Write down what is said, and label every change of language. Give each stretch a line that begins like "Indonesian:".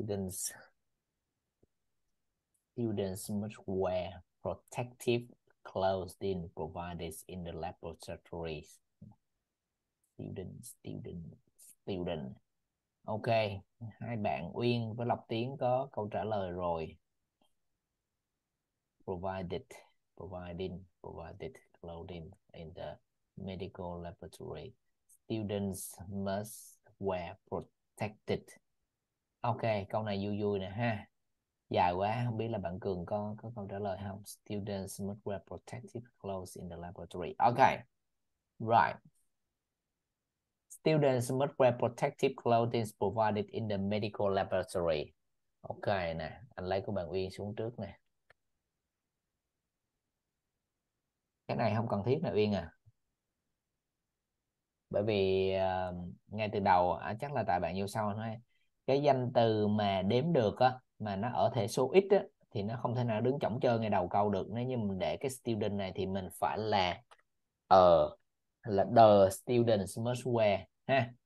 English: Students must wear protective clothing provided in the laboratories. Student.
Vietnamese: Ok, hai bạn Uyên với Lộc Tiến có câu trả lời rồi.
English: Provided clothing in the medical laboratory. Students must wear protected.
Vietnamese: Ok, câu này vui vui nè ha. Dài quá, không biết là bạn Cường có câu trả lời không? Students must wear protective clothes in the laboratory.
English: Ok, right. Students must wear protective clothing provided in the medical laboratory.
Vietnamese: Ok nè, anh lấy của bạn Uyên xuống trước nè. Cái này không cần thiết nè Uyên à. Bởi vì ngay từ đầu, chắc là tại bạn vô sau thôi. Cái danh từ mà đếm được á, mà nó ở thể số ít á, thì nó không thể nào đứng chổng chơi ngay đầu câu được. Nếu như mình để cái student này thì mình phải là
English: the students must wear
Vietnamese: ha.